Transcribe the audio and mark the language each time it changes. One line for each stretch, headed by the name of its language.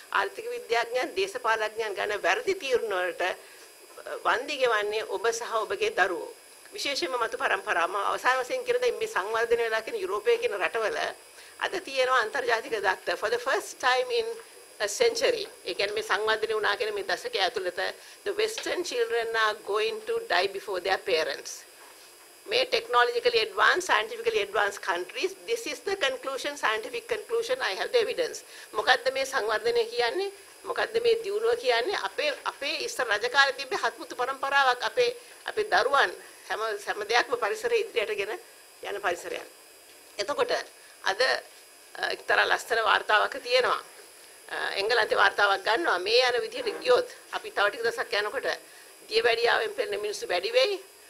Sinhala: ආර්ථික විද්‍යාඥයන් දේශපාලඥයන් ගන්න වැරදි තීරණ වලට වන්දි ගෙවන්නේ ඔබ සහ ඔබගේ දරුවෝ. විශේෂයෙන්ම මතු පරම්පරාව අවසාන වශයෙන් කියන දේ මේ සංවර්ධන වෙලා කියන යුරෝපයේ කියන රටවල අද තියෙනවා අන්තර්ජාතික දත්ත
English: for the first time in a century.
Sinhala: ඒ කියන්නේ මේ සංවර්ධනේ වුණා කියන මේ දශකය ඇතුළත
English: the western children are going to die before their parents. මේ technologically advanced scientifically advanced countries this is the conclusion scientific conclusion I have the evidence.
Sinhala: මොකද්ද මේ සංවර්ධනේ කියන්නේ? මොකද්ද මේ දියුණුව කියන්නේ? අපේ ඉස්සර රජ කාලේ තිබ්බ හත්මුතු පරම්පරාවක් අපේ දරුවන් හැම දෙයක්ම පරිසරය ඉදිරියටගෙන යන පරිසරයක්. එතකොට අද එක්තරා ලස්සන වார்த்தාවක් තියෙනවා. එංගලන්තේ වார்த்தාවක් ගන්නවා මේ යන විදිහට ගියොත් අපි තව ටික දවසක් යනකොට දියවැඩියාවෙන් පෙළෙන මිනිස්සු වැඩි වෙයි.